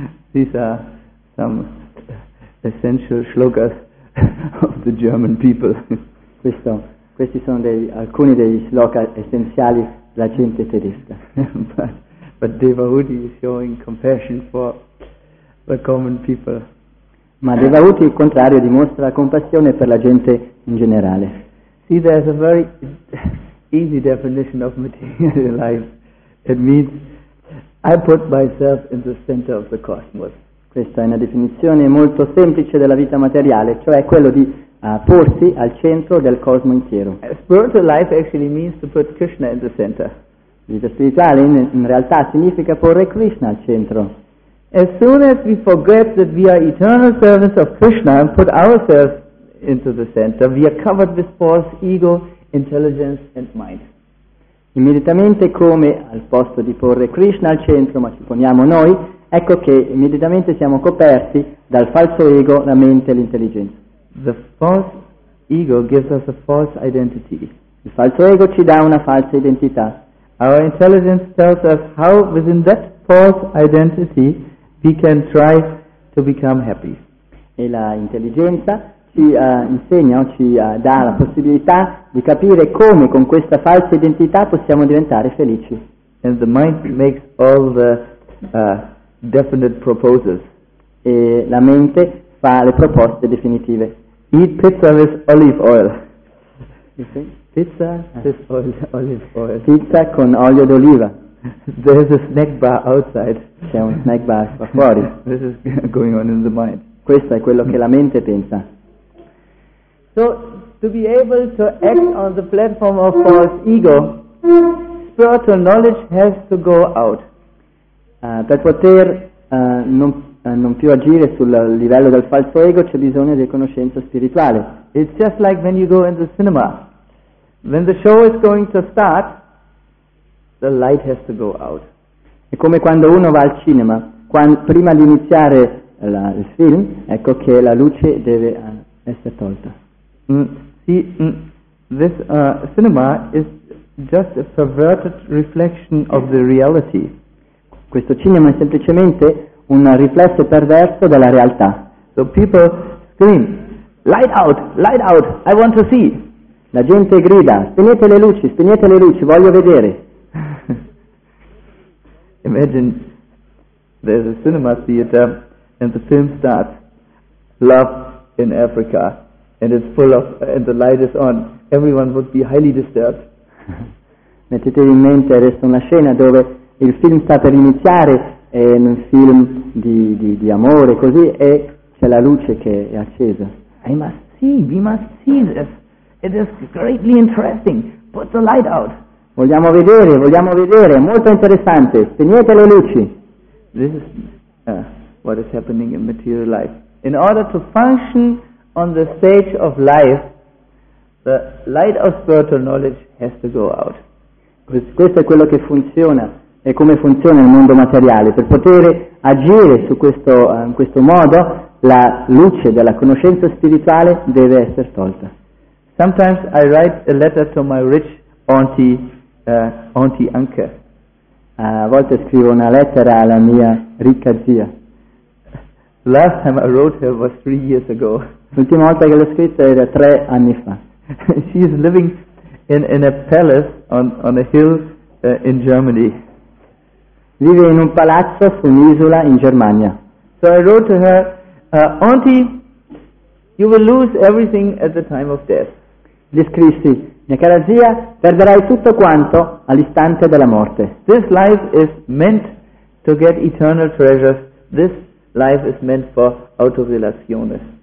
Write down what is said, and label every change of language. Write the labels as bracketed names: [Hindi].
[English] These are some essential slogans of the German people. [Italian] Questi sono alcuni degli slogan essenziali della gente tedesca. [English] but Devahuti is showing compassion for the common people. [Italian] Ma Devahuti, il contrario, dimostra la compassione per la gente in generale. [English] See, there's a very easy definition of material life. It means I put myself in the center of the cosmos. [Italian] Questa è una definizione molto semplice della vita materiale, cioè quello di porsi al centro del cosmo intero. [English] Spiritual life actually means to put Krishna in the center. [Italian] Vita spirituale in realtà significa porre Krishna al centro. [English] As soon as we forget that we are eternal servants of Krishna and put ourselves into the center, we are covered with false ego, intelligence and mind. [Italian] Immediatamente come al posto di porre Krishna al centro, ma ci poniamo noi, ecco che immediatamente siamo coperti dal falso ego, la mente e l'intelligenza. [English] The false ego gives us a false identity. [Italian] Il falso ego ci dà una falsa identità. [English] Our intelligence tells us how within that false identity we can try to become happy. [Italian] E la intelligenza ci insegna o ci dà la possibilità di capire come con questa falsa identità possiamo diventare felici. [English] And the mind makes all the definite proposals. [Italian] E la mente fa le proposte definitive. [English] Eat pizza with olive oil. [Italian] Pizza [English] with olive oil. [Italian] Pizza con olio d'oliva. [English] There's a snack bar outside. [Italian] C'è un snack bar qua fuori. [English] This is going on in the mind. [Italian] Questo è quello che la mente pensa. [English] So, to be able to act on the platform of false ego, spiritual knowledge has to go out. [Italian] Per poter non più agire sul livello del falso ego, c'è bisogno di conoscenza spirituale. [English] It's just like when you go in the cinema. When the show is going to start, the light has to go out. [Italian] È come quando uno va al cinema, prima di iniziare il film, ecco che la luce deve essere tolta. [English] This cinema is just a perverted reflection of the reality. [Italian] Questo cinema è semplicemente un riflesso perverso della realtà. [English] So people scream, light out, I want to see. [Italian] La gente grida, spegnete le luci, voglio vedere. [English] Imagine there's a cinema theater and the film starts, Love in Africa, and it's full of, and the light is on, everyone would be highly disturbed. [Italian] Mettete in mente adesso una scena dove il film sta per iniziare, è un film di amore, così, e c'è la luce che è accesa. [English] I must see, we must see this. It is greatly interesting. Put the light out. [Italian] Vogliamo vedere, molto interessante. Spegnete le luci. [English] This is what is happening in material life. In order to function on the stage of life, the light of spiritual knowledge has to go out. [Italian] Questo è quello che funziona. E come funziona il mondo materiale? Per poter agire su questo, in questo modo, la luce della conoscenza spirituale deve essere tolta. [English] Sometimes I write a letter to my rich auntie, auntie uncle. [Italian] A volte scrivo una lettera alla mia ricca zia. [English] Last time I wrote her was 3 years ago. [Italian] L'ultima volta che l'ho scritta era 3 anni fa. [English] She is living in a palace on a hill in Germany. [Italian] Vive in un palazzo su un'isola in Germania. [English] So I wrote to her, Auntie, you will lose everything at the time of death. [Italian] Gli scrissi, mia cara zia, perderai tutto quanto all'istante della morte. [English] This life is meant to get eternal treasures. This life is meant for [Italian] autorealizzazione.